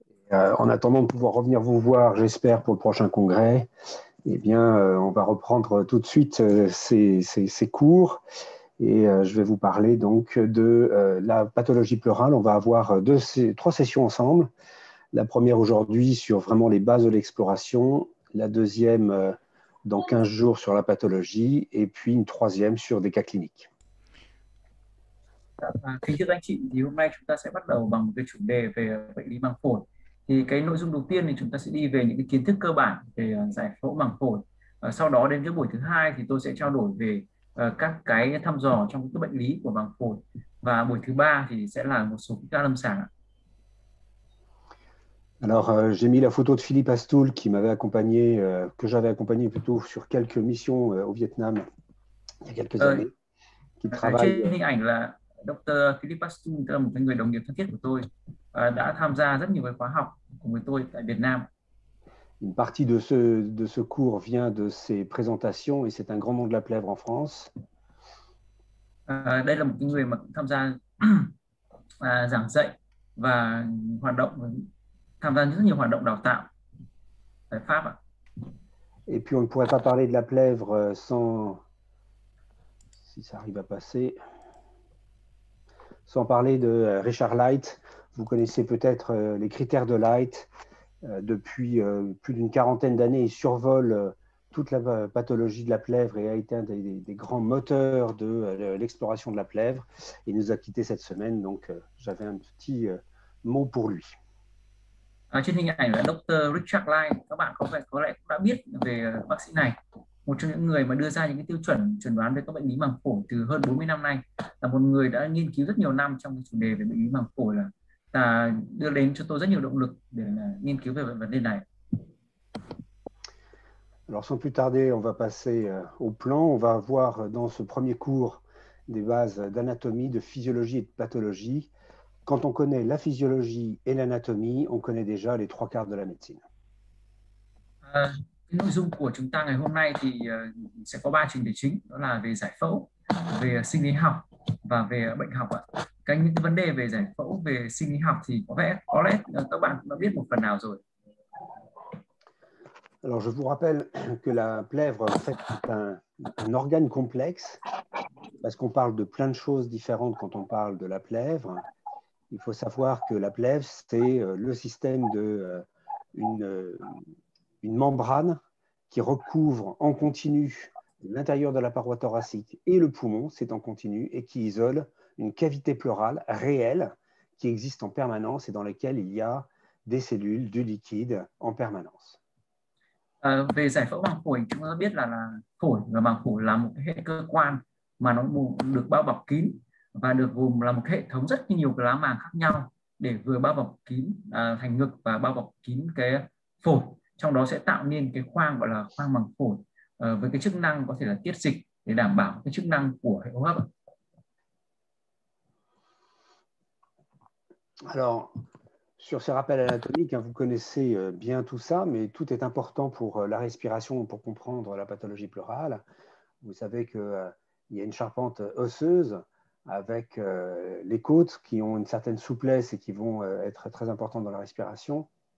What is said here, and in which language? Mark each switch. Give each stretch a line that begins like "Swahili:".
French: En attendant de pouvoir revenir vous voir, j'espère, pour le prochain congrès, eh bien, on va reprendre tout de suite ces cours et je vais vous parler donc de la pathologie pleurale. On va avoir trois sessions ensemble. La première aujourd'hui sur vraiment les bases de l'exploration, la deuxième dans 15 jours sur la pathologie et puis une troisième sur des cas cliniques.
Vietnamese: À, kính thưa anh chị, thì hôm nay chúng ta sẽ bắt đầu bằng một cái chủ đề về bệnh lý màng phổi. Thì cái nội dung đầu tiên thì chúng ta sẽ đi về những cái kiến thức cơ bản về giải phẫu màng phổi. Sau đó đến cái buổi thứ hai thì tôi sẽ trao đổi về các cái thăm dò trong cái bệnh lý của màng phổi. Và buổi thứ ba thì sẽ là một số ca lâm sàng ạ.
French: Alors, j'ai mis la photo de Philippe Astoul qui m'avait accompagné, que j'avais accompagné plutôt sur quelques missions au Vietnam il y a quelques années, qui travaille.
Vietnamese: Trên hình ảnh là Dr. Philippe Pastu, tức là một người đồng nghiệp thân thiết của tôi, đã tham gia rất nhiều cái khóa học cùng với tôi tại Việt Nam.
French: Une partie de ce cours vient de ses présentations et c'est un grand nom de la plèvre en France.
Vietnamese: Đây là một cái người mà cũng tham gia giảng dạy và hoạt động, tham gia rất nhiều hoạt động đào tạo tại Pháp ạ.
French: Et puis on ne pourrait pas parler de la plèvre sans, si ça arrive à passer, sans parler de Richard Light. Vous connaissez peut-être les critères de Light. Depuis plus d'une quarantaine d'années, il survole toute la pathologie de la plèvre et a été un des grands moteurs de l'exploration de la plèvre. Il nous a quittés cette semaine, donc j'avais un petit mot pour lui.
Vietnamese: Trên hình ảnh là Dr. Richard Light, các bạn có lẽ cũng đã biết về bác sĩ này, một trong những người mà đưa ra những cái tiêu chuẩn chẩn đoán về các bệnh lý màng phổi từ hơn 40 năm nay, là một người đã nghiên cứu rất nhiều năm trong cái chủ đề về bệnh lý màng phổi, là đưa đến cho tôi rất nhiều động lực để nghiên cứu về vấn đề này.
French: Alors, sans plus tarder, on va passer au plan. On va voir dans ce premier cours des bases d'anatomie, de physiologie et de pathologie. Quand on connaît la physiologie et l'anatomie, on connaît déjà les trois quarts de la médecine.
Vietnamese: Cái nội dung của chúng ta ngày hôm nay thì sẽ có ba chủ đề chính, đó là về giải phẫu, về sinh lý học và về bệnh học ạ. Cái những cái vấn đề về giải phẫu, về sinh lý học thì có lẽ các bạn đã biết một phần nào rồi.
French: Alors, je vous rappelle que la plèvre, en fait, est un organe complexe, parce qu'on parle de plein de choses différentes quand on parle de la plèvre. Il faut savoir que la plèvre, c'est le système d'une membrane qui recouvre en continu l'intérieur de la paroi thoracique et le poumon, c'est en continu, et qui isole une cavité pleurale réelle qui existe en permanence et dans laquelle il y a des cellules, du liquide en permanence.
Vietnamese: Về giải phẫu màng phổi, chúng ta biết là phổi và màng phổi là một hệ cơ quan mà nó được bao bọc kín và được gồm là một hệ thống rất nhiều cái lá màng khác nhau để vừa bao bọc kín thành ngực và bao bọc kín cái phổi, trong đó sẽ tạo nên cái khoang gọi là khoang màng phổi với cái chức năng có thể là tiết dịch để đảm bảo cái chức năng của hệ hô hấp.
French: Alors, sur ces rappels anatomiques, hein, vous connaissez bien tout ça, mais tout est important pour la respiration, pour comprendre la pathologie pleurale. Vous savez qu'il y a une charpente osseuse avec les côtes qui ont une certaine souplesse et qui vont être très importantes dans la respiration.